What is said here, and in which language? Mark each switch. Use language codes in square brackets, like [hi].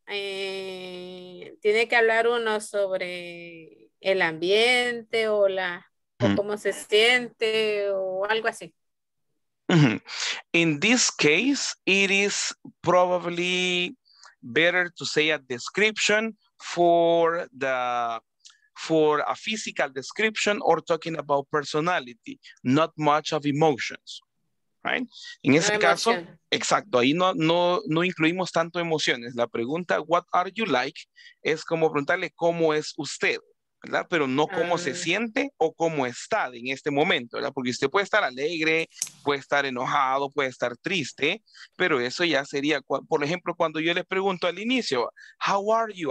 [es] Tiene que hablar uno sobre el ambiente o la o cómo se siente o algo así. [en] In this case, it is probably better to say a description for a physical description or talking about personality, not much of emotions, right? [es] En ese caso, exacto, ahí no incluimos tanto emociones. La pregunta, [en] what are you like, [es] es como preguntarle cómo es usted, ¿verdad? Pero no cómo se siente o cómo está en este momento, ¿verdad? Porque usted puede estar alegre, puede estar enojado, puede estar triste, pero eso ya sería, por ejemplo, cuando yo le pregunto al inicio, [en] how are you?